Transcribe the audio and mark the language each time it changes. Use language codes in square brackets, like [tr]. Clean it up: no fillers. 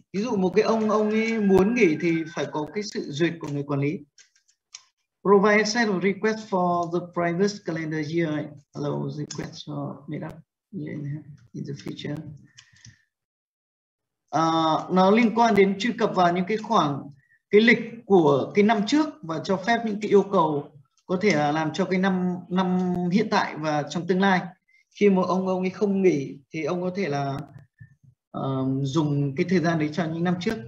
[vi] Ví dụ một cái ông ấy muốn nghỉ thì phải có cái sự duyệt của người quản lý. [en] Provide a set of requests for the previous calendar year. Allow requests for meetup in the future. [vi] Nó liên quan đến truy cập vào những cái khoảng, cái lịch của cái năm trước và cho phép những cái yêu cầu có thể là làm cho cái năm hiện tại và trong tương lai. Khi mà ông ấy không nghỉ thì ông có thể là dùng cái thời gian đấy cho những năm trước.